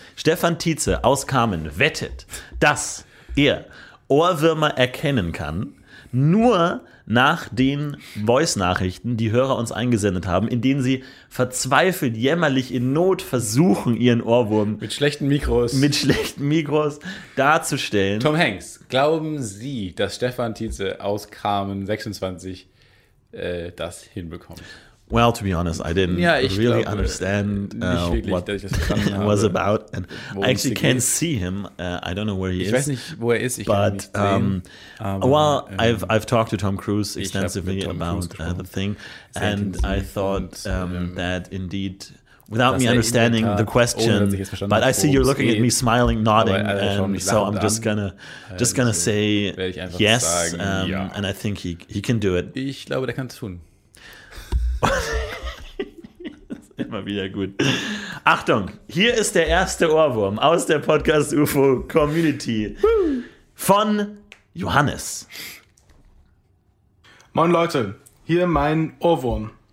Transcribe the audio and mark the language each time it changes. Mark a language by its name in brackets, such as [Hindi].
[German] Stefan Tietze aus Kamen wettet, dass er Ohrwürmer erkennen kann, nur nach den Voice-Nachrichten, die Hörer uns eingesendet haben, in denen sie verzweifelt, jämmerlich, in Not versuchen, ihren Ohrwurm mit schlechten Mikros darzustellen. Tom Hanks, glauben Sie, dass Stefan Tietze aus Kamen 26 das hinbekommt? [English] Well, to be honest, I didn't really understand what it was about. And I actually can't see him. I don't know where he is. [German] Ich weiß nicht, wo er ist. [English] But I've talked to Tom Cruise extensively about the thing, and I thought that indeed, without me understanding the question, but I see you're looking at me, smiling, nodding, and so I'm just gonna say yes, and I think he can do it. [German] Ich glaube, der kann es tun. Das ist immer wieder gut. Achtung, hier ist der erste Ohrwurm aus der Podcast-UFO-Community von Johannes. Moin Leute, hier mein Ohrwurm.